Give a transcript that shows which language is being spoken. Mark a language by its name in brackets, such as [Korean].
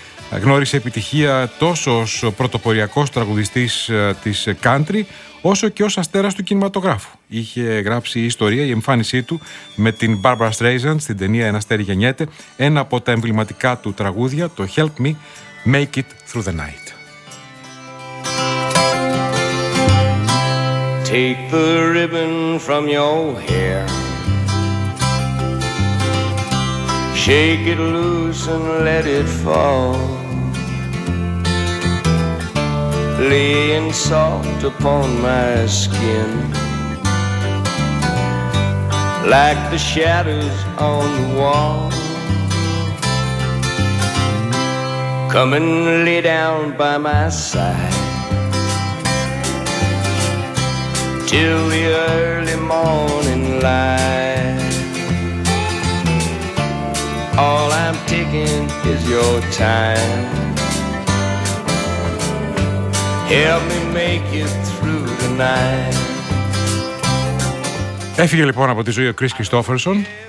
[Greek] Γνώρισε επιτυχία τόσο ως πρωτοποριακός τραγουδιστής της country, όσο και ως αστέρας του κινηματογράφου. Είχε γράψει η ιστορία, η εμφάνισή του με την Barbara Streisand στην ταινία «Ένα αστέρι γεννιέται», ένα από τα εμβληματικά του τραγούδια, το [English] «Help me make it through the night». Take the ribbon from your hair, shake it loose and let it fall, laying soft upon my skin like the shadows on the wall. Come and lay down by my side till the early morning light. All I'm taking is your time. Help me make it through the night. [Greek] Έφυγε λοιπόν από τη ζωή ο Chris Christopherson.